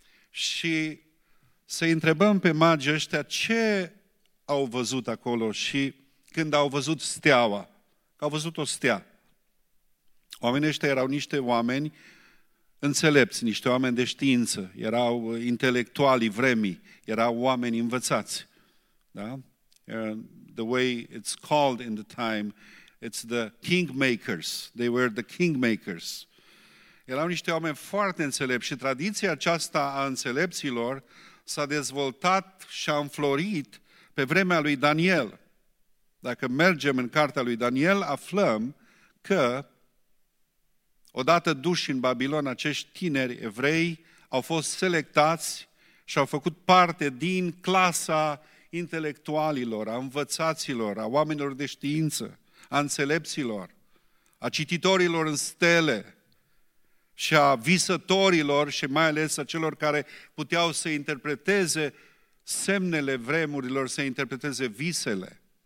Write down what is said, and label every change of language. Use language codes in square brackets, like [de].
[ro] Și să întrebăm pe magii ăștia ce au văzut acolo și când au văzut steaua. că au văzut o stea. Oamenii ăștia erau niște oameni înțelepți, niște oameni de știință, erau intelectualii vremii, erau oameni învățați. Da? [en] The way it's called in the time, it's the kingmakers. They were the kingmakers. [ro] Erau niște oameni foarte înțelepți și tradiția aceasta a înțelepților s-a dezvoltat și a înflorit pe vremea lui Daniel. Dacă mergem în cartea lui Daniel, aflăm că odată duși în Babilon, acești tineri evrei au fost selectați și au făcut parte din clasa intelectualilor, a învățaților, a oamenilor de știință, a înțelepților, a cititorilor în stele și a visătorilor și mai ales a celor care puteau să interpreteze semnele vremurilor, să interpreteze visele.